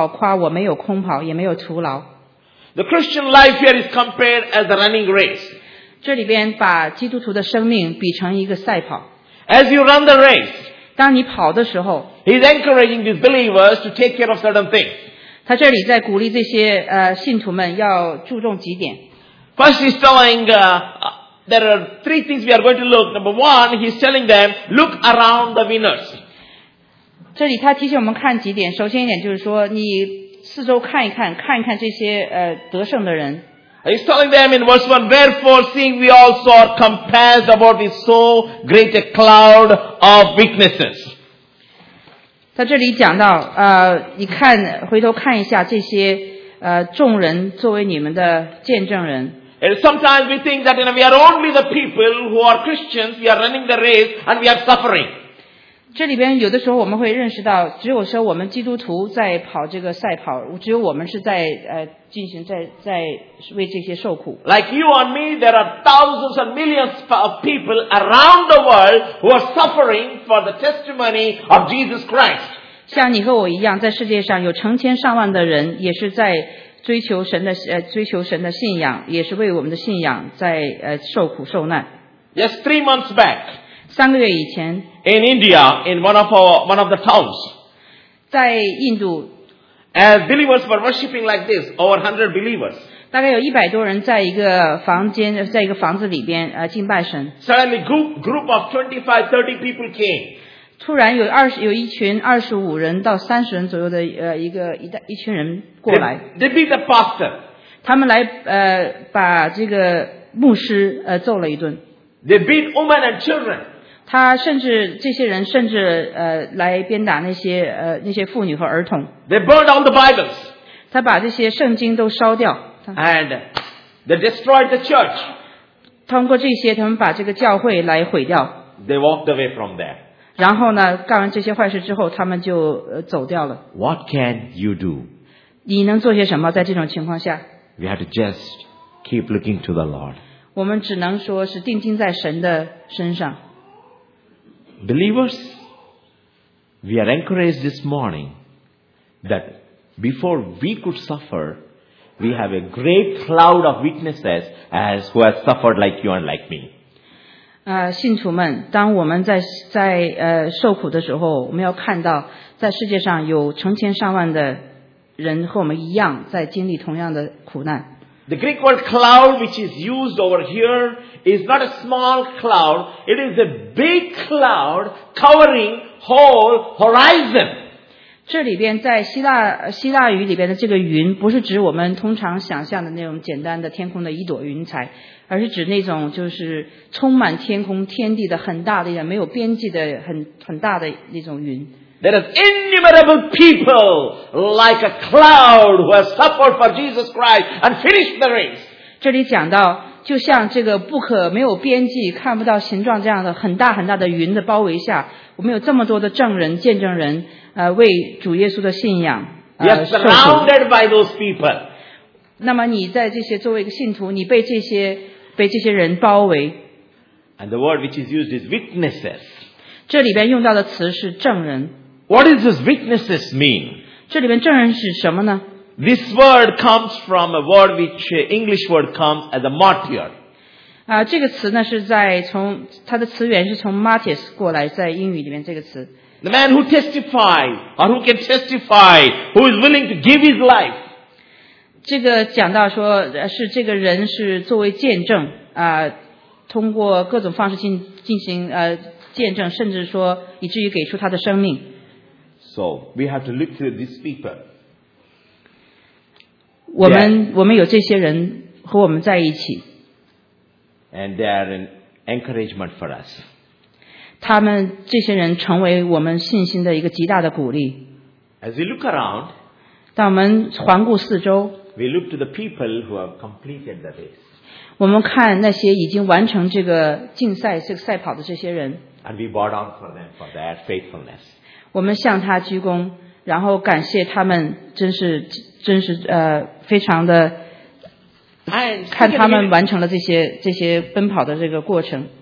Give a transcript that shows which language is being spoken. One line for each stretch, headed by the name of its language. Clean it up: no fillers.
Chinese: 将生命的道表明出来，叫我在基督的日子好夸我没有空跑，也没有徒劳。
English: The Christian life here is compared as a running race.
Chinese: 这里边把基督徒的生命比成一个赛跑。
English: As you run the race,
Chinese: 当你跑的时候，
English: He's encouraging these believers to take care of certain things.
Chinese: 他这里在鼓励这些， 信徒们要注重几点。
English: First he's telling, there are three things we are going to look. Number one, he's telling them, look around the winners.
Chinese: 这里他提醒我们看几点。首先一点就是说， 你,四周看一看，看一看这些得胜的人。
English: He's telling them in verse 1, Therefore, seeing we also are compassed about this so great a cloud of witnesses.
Chinese: 在这里讲到，你看，回头看一下这些众人作为你们的见证人。
English: And sometimes we think that, you know, we are only the people who are Christians, we are running the race, and we are suffering.
Chinese: 这里边有的时候我们会认识到，只有说我们基督徒在跑这个赛跑，只有我们是在进行在为这些受苦。
English: Like you and me, there are thousands and millions of people around the world who are suffering for the testimony of Jesus Christ.
Chinese: 像你和我一样，在世界上有成千上万的人也是在追求神的追求神的信仰，也是为我们的信仰在受苦受难。
English: Just 3 months back,
Chinese: 三个月以前
English: ，in India, in one of the towns,
Chinese: 在印度
English: ，as believers were worshiping like this, over 100 believers,
Chinese: 大概有100多人在一个房间，在一个房子里边敬拜神。
English: Suddenly, group of 25, 30 people came.
Chinese: 突然有一群25人到30人左右的一群人过来。
English: They beat the pastor.
Chinese: 他们来把这个牧师揍了一顿。
English: They beat women and children.
Chinese: 他甚至这些人甚至来鞭打那些妇女和儿童。
English: They burned down the Bibles.
Chinese: 他把这些圣经都烧掉。
English: And they destroyed the church.
Chinese: 通过这些，他们把这个教会来毁掉。
English: They walked away from there.
Chinese: 然后呢，干完这些坏事之后，他们就走掉了。
English: What can you do?
Chinese: 你能做些什么？在这种情况下
English: ，We have to just keep looking to the Lord.
Chinese: 我们只能说是定睛在神的身上。
English: Believers, we are encouraged this morning that before we could suffer, we have a great cloud of witnesses as who have suffered like you and like me.
Chinese: 信徒们，当我们在受苦的时候，我们要看到在世界上有成千上万的人和我们一样在经历同样的苦难。
English: The Greek word cloud, which is used over here, is not a small cloud. It is a big cloud covering whole horizon.
Chinese: 这里边在希腊语里边的这个云，不是指我们通常想象的那种简单的天空的一朵云彩，而是指那种就是充满天空天地的很大的、没有边际的很大的那种云。
English: There are innumerable people like a cloud who have suffered for Jesus Christ and finished the race.
Chinese: 这里讲到，就像这个不可没有边际、看不到形状这样的很大很大的云的包围下，我们有这么多的证人、见证人，为主耶稣的信仰
English: surrounded by those people.
Chinese: 那么你在这些作为一个信徒，你被这些人包围。
English: And the word which is used is witnesses.
Chinese: 这里边用到的词是证人。
English: What does this witnesses mean?
Chinese: 这里面证人是什么呢？
English: This word comes from a word which English word comes as a martyr.
Chinese: 这个词呢是在从它的词源是从 martyrs 过来，在英语里面这个词。
English: The man who testifies or who can testify, who is willing to give his life.
Chinese: 这个讲到说是这个人是作为见证通过各种方式进行见证，甚至说以至于给出他的生命。
English: So we have to look through these people.
Chinese: 我们有这些人和我们在一起。
English: And they are an encouragement for us.
Chinese: 他们这些人成为我们信心的一个极大的鼓励。
English: As we look around,
Chinese: 当我们环顾四周
English: ，we look to the people who have completed the race.
Chinese: 我们看那些已经完成这个竞赛、这个赛跑的这些人。
English: And we bow down for them for their faithfulness.
Chinese: 我们向他鞠躬，然后感谢他们，真是非常的，看他们完成了这些奔跑的这个过程。